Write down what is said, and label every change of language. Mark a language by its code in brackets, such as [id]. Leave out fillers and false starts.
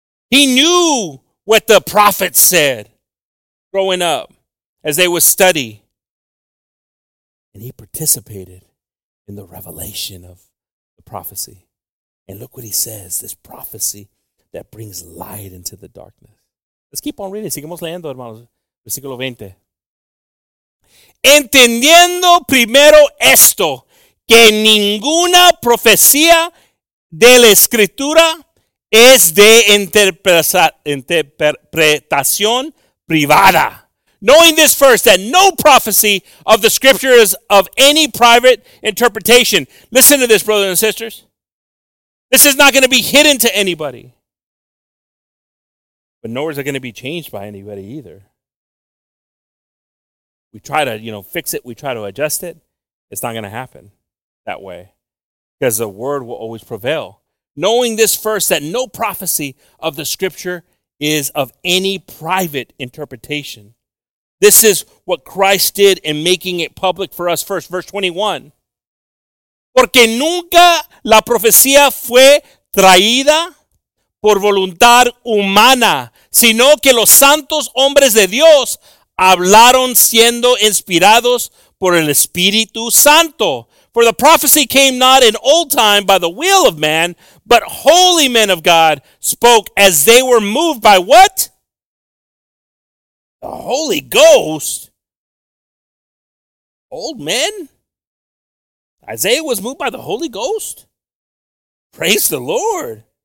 [en] He knew what the prophets said growing up as they would study. And he participated in the revelation of the prophecy. And look what he says, this prophecy that brings light into the darkness. Let's keep on reading. [es] Seguimos leyendo, hermanos. Versículo 20. Entendiendo primero esto, que ninguna profecía de la Escritura es de interpretación privada. [en] Knowing this first, that no prophecy of the Scripture is of any private interpretation. Listen to this, brothers and sisters. This is not going to be hidden to anybody. But nor is it going to be changed by anybody either. We try to, you know, fix it. We try to adjust it. It's not going to happen that way. Because the word will always prevail. Knowing this first, that no prophecy of the Scripture is of any private interpretation. This is what Christ did in making it public for us first. Verse 21. [es] Porque nunca la profecía fue traída por voluntad humana, sino que los santos hombres de Dios hablaron siendo inspirados por el Espíritu Santo. [en] For the prophecy came not in old time by the will of man, but holy men of God spoke as they were moved by what? The Holy Ghost? Old men? Isaiah was moved by the Holy Ghost? Praise the Lord.